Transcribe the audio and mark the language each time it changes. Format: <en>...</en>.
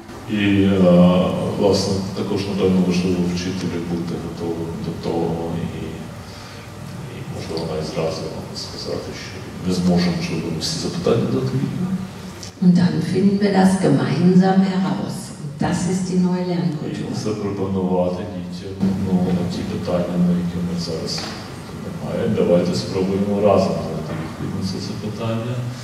<uk>І, власне, також, напевно, важливо вчителю бути готовим до того і можливо, навіть зразу вам сказати, що не зможемо, щоб ви всі запитання дати.</uk> <de>Und dann finden wir das gemeinsam heraus. Das ist die neue Lernkultur.</de> <uk>І запропонувати дітям, ну, ті питання, на які ми зараз немає. Давайте спробуємо разом знайти відповідь на це запитання.</uk>